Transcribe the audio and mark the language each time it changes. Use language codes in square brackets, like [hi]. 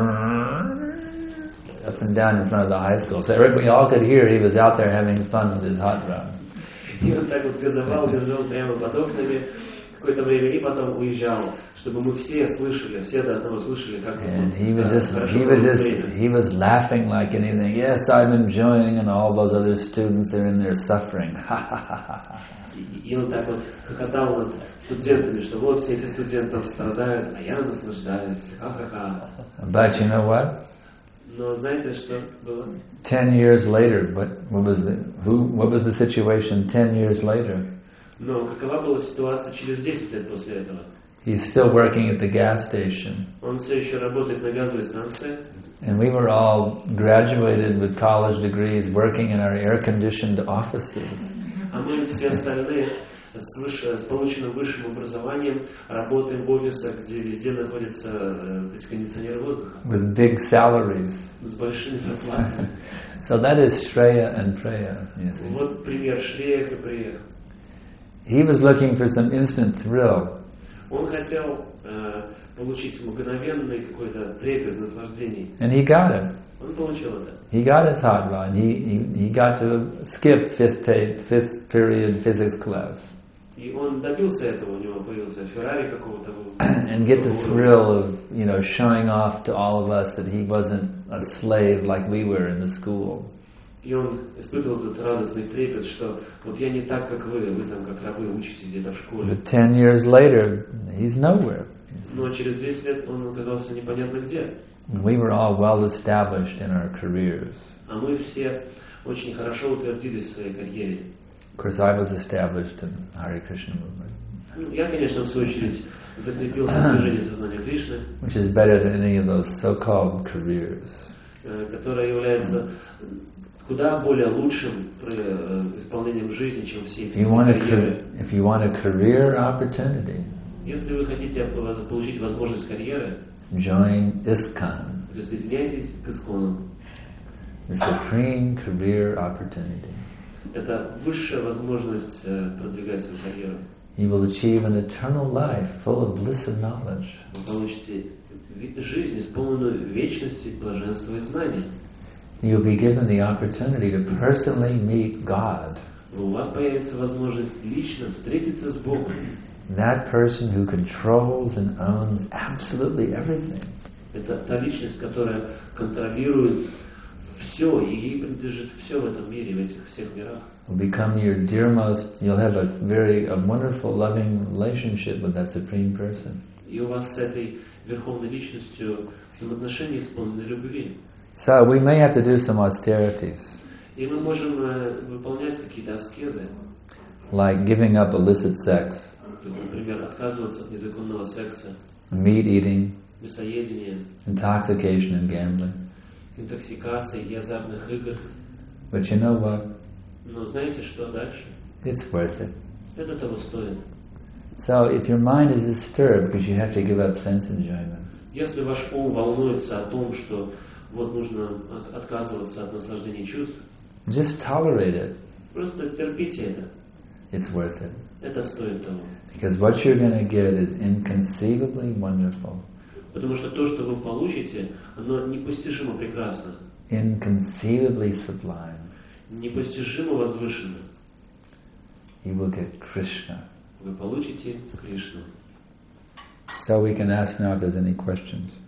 [en] Up and down in front of the high school. So Eric, we all could hear he was out there having fun with his hot rod. [ru] И он так вот газовал прямо под окнами какое-то время и потом уезжал, чтобы мы все слышали, все до одного слышали, как [en] And he was just, he was laughing like anything. Yes, I'm enjoying, and all those other students are in there suffering. [ru] И он так вот хохотал над студентами, что вот все эти студенты там страдают, а я наслаждаюсь. [en] But you know what? [ru] Но знаете, что было? [en] 10 years later, what was the situation 10 years later? [ru] Но какова была ситуация через 10 лет после этого? [en] He's still working at the gas station. [ru] Он все еще работает на газовой станции. [en] And we were all graduated with college degrees, working in our air-conditioned offices. [ru] А мы все остальные с полученным высшим образованием работаем в офисах, где везде находятся эти кондиционеры воздуха. [en] With big salaries. [ru] С большими зарплатами. [en] So that is Shreya and Preya. [ru] Вот пример Shreya и Preya. [en] He was looking for some instant thrill. [ru] Он хотел получить мгновенный какой-то трепет, наслаждение. [en] And he got it. [ru] Он получил это. [en] He got his hot rod. He got to skip fifth period physics class. [ru] И он добился этого. У него появился Феррари какого-то. [en] And get the thrill of, you know, showing off to all of us that he wasn't a slave like we were in the school. [ru] И он испытывал этот радостный трепет, что вот я не так, как вы там как рабы учитесь где-то в школе. [en] But 10 years later, he's nowhere. [ru] Но через 10 лет он оказался непонятно где. [en] We were all well established in our careers. [ru] А мы все очень хорошо утвердились в своей карьере. [en] Of course, I was established in Hare Krishna movement. [ru] Я, конечно, в свою очередь закрепился в движении сознания Кришны. [en] Which is better than any of those so-called careers. [ru] Которая является куда более лучшим исполнением жизни, чем все эти карьеры. [en] If you want a career opportunity, [ru] если вы хотите получить возможность карьеры, [en] join ISKCON. [ru] Присоединяйтесь к ISKCON. [en] The supreme career opportunity. [ru] Это высшая возможность продвигать свою карьеру. [en] You will achieve an eternal life full of bliss and knowledge. [ru] Вы получите жизнь, исполненную вечности, блаженства и знаний. [en] You'll be given the opportunity to personally meet God. [ru] У вас появится возможность лично встретиться с Богом. [en] That person who controls and owns absolutely everything. [ru] Это та личность, которая контролирует все и принадлежит все в этом мире, в этих всех мирах. [en] Will become your dearmost. You'll have a wonderful, loving relationship with that supreme person. [ru] И у вас с этой верховной личностью взаимоотношения исполнены любви. [en] So we may have to do some austerities. [ru] И мы можем выполнять какие-то аскезы. [en] Like giving up illicit sex. [ru] Например, отказываться от незаконного секса. [en] Meat eating. [ru] Мясоедение. [en] Intoxication and gambling. [ru] Интоксикация и азартных игр. [en] But you know what? [ru] Но знаете, что дальше? [en] It's worth it. [ru] Это того стоит. [en] So if your mind is disturbed because you have to give up sense enjoyment. [ru] Если ваш ум волнуется о том, что вот нужно отказываться от наслаждения чувств. [en] Just tolerate it. [ru] Просто терпите это. [en] It's worth it. [ru] Это стоит того. [en] Because what you're going to get is inconceivably wonderful. [ru] Потому что то, что вы получите, оно непостижимо прекрасно. [en] Inconceivably sublime. [ru] Непостижимо возвышенно. [en] You will get Krishna. [ru] Вы получите Кришну. [en] So we can ask now if there's any questions.